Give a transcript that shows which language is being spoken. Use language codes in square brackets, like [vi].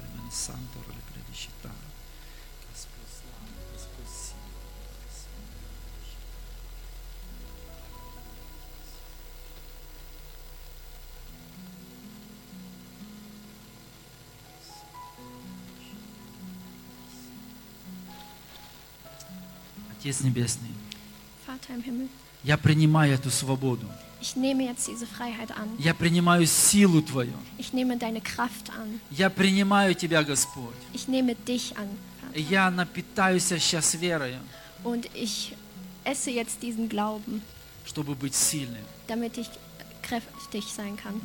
[ru] Santo le predicità che sposano che sposino che sposino. Отец небесный. [de] Vater im Himmel. [ru] Я принимаю эту свободу. [de] Ich nehme jetzt diese Freiheit an. [ru] Я принимаю силу твою. [de] Ich nehme deine Kraft an. [ru] Я принимаю тебя, Господь. [de] Ich nehme dich an. [ru] Я напитаюсь сейчас верою. [de] Und ich esse jetzt diesen Glauben. [ru] Чтобы быть сильным. [de] Damit ich kräftig sein kann.